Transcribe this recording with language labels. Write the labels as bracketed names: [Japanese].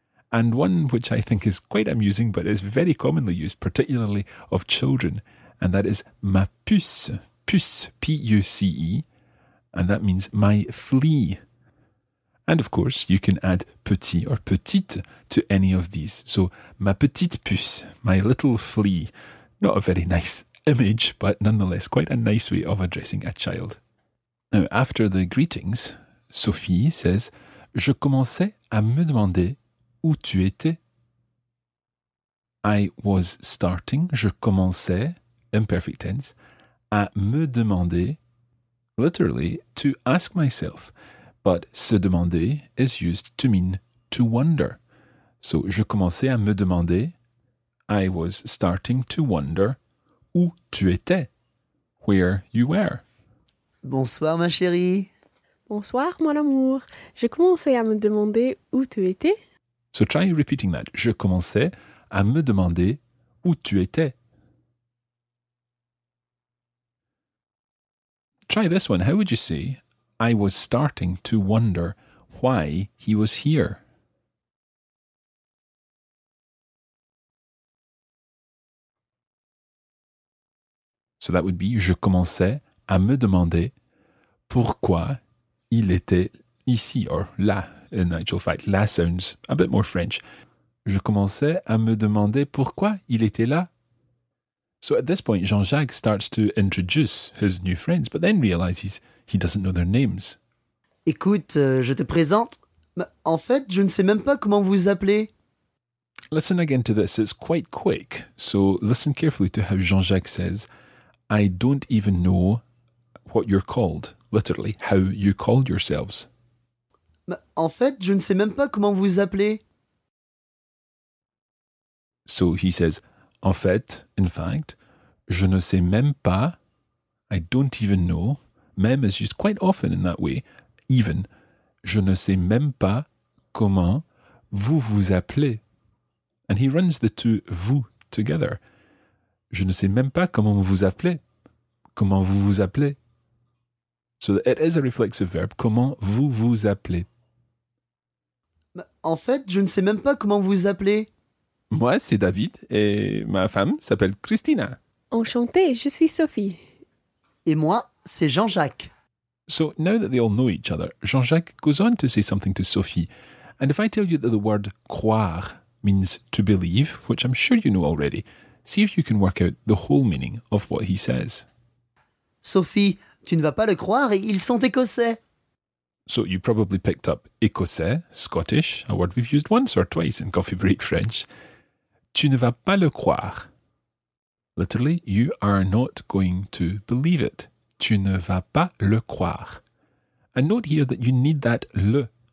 [English] And one which I think is quite amusing but is very commonly used, particularly of children, and that is ma puce, puce, P-U-C-E, and that means my flea. And of course, you can add petit or petite to any of these. So, [French] ma petite puce, [English] my little flea. Not a very nice image, but nonetheless, quite a nice way of addressing a child. Now, after the greetings, Sophie says, [French] je commençais à me demander où tu étais. [English] I was starting, [French] je commençais, [English] imperfect tense, [French] à me demander, [English] literally, to ask myself. But se demander is used to mean to wonder. So [French] je commençais à me demander. [English] I was starting to wonder [French] où tu étais, [English] where you were. [French] Bonsoir, ma chérie. Bonsoir, mon amour. Je commençais à me demander où tu étais. [English] So try repeating that. [French] Je commençais à me demander où tu étais. [English] Try this one. How would you say, I was starting to wonder why he was here? So that would be, [French] je commençais à me demander pourquoi il était ici, [English] or [French] là, [English] in actual fact. Là sounds a bit more French. [French] Je commençais à me demander pourquoi il était là. [English] So at this point, Jean-Jacques starts to introduce his new friends, but then realizes he doesn't know their names. [French] Écoute, je te présente. En fait, je ne sais même pas comment vous appelez. [English] Listen again to this. It's quite quick. So listen carefully to how Jean-Jacques says, I don't even know what you're called. Literally, how you call yourselves. [French] En fait, je ne sais même pas comment vous appelez. [English] So he says, [French] en fait, [English] in fact, [French] je ne sais même pas, [English] I don't even know, même is used quite often in that way, even, [French] je ne sais même pas comment vous vous appelez. [English] And he runs the two vous together. [French] Je ne sais même pas comment vous appelez. Comment vous vous appelez? [English] So it is a reflexive verb. [French] Comment vous vous appelez? En fait, je ne sais même pas comment vous appelez. Moi, c'est David et ma femme s'appelle Christina. Enchantée, je suis Sophie. Et moi, c'est Jean-Jacques. [English] So now that they all know each other, Jean-Jacques goes on to say something to Sophie. And if I tell you that the word croire means to believe, which I'm sure you know already, see if you can work out the whole meaning of what he says. [French] Sophie, tu ne vas pas le croire, ils sont écossais. [English] So you probably picked up écossais, Scottish, a word we've used once or twice in Coffee Break French. [French] Tu ne vas pas le croire. [English] Literally, you are not going to believe it. [French] Tu ne vas pas le croire. [English] And note here that you need that le.